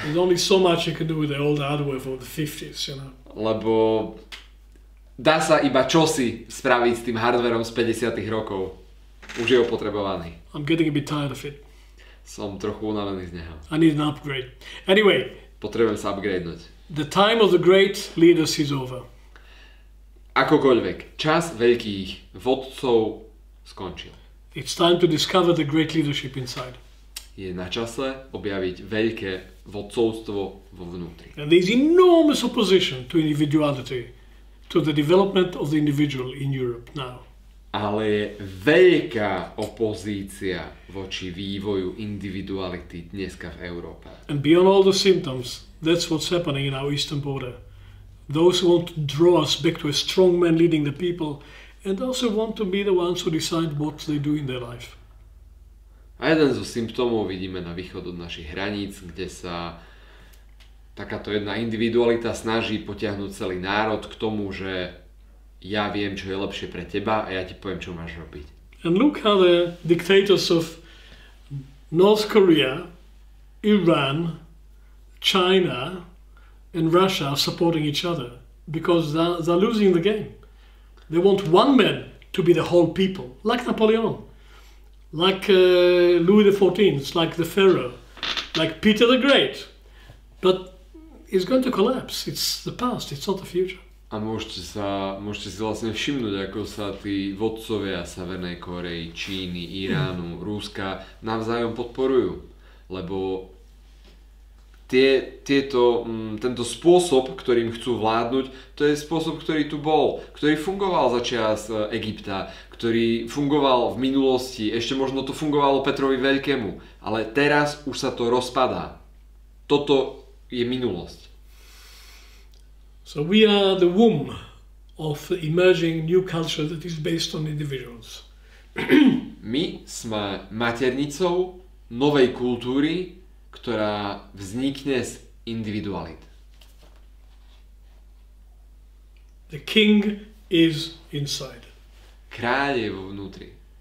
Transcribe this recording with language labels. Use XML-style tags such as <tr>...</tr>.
<en>There's only so much you can do with the old hardware from the 50s, you know.</en> <sk>Lebo dá sa iba čosi spraviť s tým hardverom z 50-tych rokov. Už je opotrebovaný.</sk> <en>I'm getting a bit tired of it.</en> <sk>Som trochu unavený z neho.</sk> <en>I need an upgrade. Anyway.</en> <sk>Potrebujem sa upgradenúť.</sk> <en>The time of the great leaders is over.</en> <sk>Akokoľvek, čas veľkých vodcov skončil.</sk> <en>It's time to discover the great leadership inside.</en> <sk>Je na čase objaviť veľké vodcovstvo vo vnútri.</sk> <en>And there is enormous opposition to individuality, to the development of the individual in Europe now.</en> <sk>Ale je veľká opozícia voči vývoju individuality dneska v Európe.</sk> <en>And beyond all the symptoms, that's what's happening in our eastern border. Those who want to draw us back to a strong man leading the people and also want to be the ones who decide what they do in their life.</en> <sk>A jeden zo symptómov vidíme na východ od našich hraníc, kde sa takáto jedna individualita snaží potiahnuť celý národ k tomu, že ja viem, čo je lepšie pre teba a ja ti poviem, čo máš robiť.</sk> <en>And look how the dictators of North Korea, Iran, China and Russia are supporting each other because they're losing the game. They want one man to be the whole people, like Napoleon, like Louis XIV, like the Pharaoh, like Peter the Great. But it's going to collapse. It's the past, it's not the future.</en> <sk>A môžete si vlastne všimnúť, ako sa tí vodcovia Severnej Koreji, Číny, Iránu, Ruska navzájom podporujú, lebo tento spôsob, ktorým chcú vládnuť, to je spôsob, ktorý tu bol, ktorý fungoval za čas Egypta, ktorý fungoval v minulosti, ešte možno to fungovalo Petrovi Veľkému, ale teraz už sa to rozpadá. Toto je minulosť.</sk> <en>So we are the womb of emerging new culture that is based on individuals.</en> <sk>My sme maternicou novej kultúry, ktorá vznikne z individualit.</sk> <en>The king is inside.</en> <sk>Kráľ je vo vnútri.</sk>